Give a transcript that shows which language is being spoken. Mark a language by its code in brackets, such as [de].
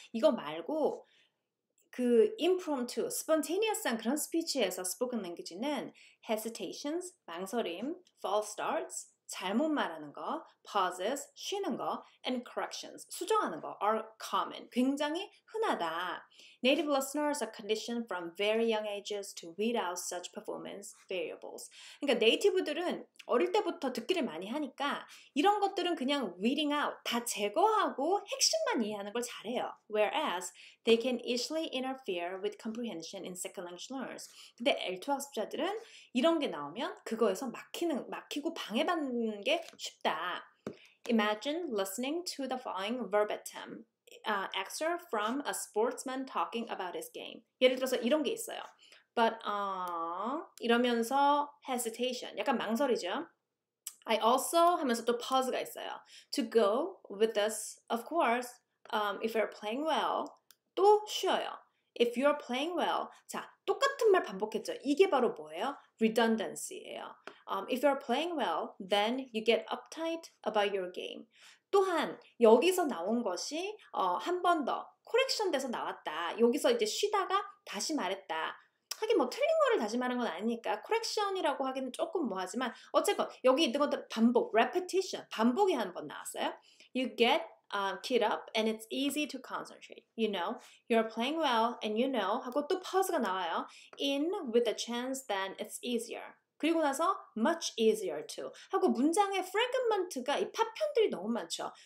[ko] 이거 말고 그 impromptu, spontaneous한 그런 스피치에서 spoken language는 hesitations, 망설임, false starts, 잘못 말하는 거, pauses, 쉬는 거, and corrections, 수정하는 거 [en] are common, [ko] 굉장히 흔하다. [en] Native listeners are conditioned from very young ages to weed out such performance variables. [ko] 그러니까 네이티브들은 어릴 때부터 듣기를 많이 하니까 이런 것들은 그냥 weeding out, 다 제거하고 핵심만 이해하는 걸 잘해요. [en] Whereas they can easily interfere with comprehension in second language learners. [ko] 근데 L2 학습자들은 이런 게 나오면 그거에서 막히고 방해받는 게 쉽다. [en] Imagine listening to the following verbatim. Excerpt from a sportsman talking about his game. [ko] 예를 들어서 이런 게 있어요. But 이러면서 hesitation. 약간 망설이죠. [en] I also [ko] 하면서 또 pause가 있어요. [en] To go with this, of course, if you're playing well, [ko] 또 쉬어요. [en] If you're playing well, [ko] 자, 똑같은 말 반복했죠. 이게 바로 뭐예요? Redundancy예요. [en] If you're playing well, then you get uptight about your game. [ko] 또한 여기서 나온 것이 한 번 더 코렉션 돼서 나왔다. 여기서 이제 쉬다가 다시 말했다. 하긴 뭐 틀린 거를 다시 말한 건 아니니까 코렉션이라고 하기는 조금 뭐하지만 어쨌건 여기 있는 것도 반복, repetition, 반복이 한 번 나왔어요. [en] You get keyed up and it's easy to concentrate. You know, you're playing well and you know [ko] 하고 또 pause가 나와요. [en] In with a chance then it's easier. [ko] 그리고 나서 [en] much easier to [ko] 하고 문장의 fragment가 이 파편들이 너무 많죠.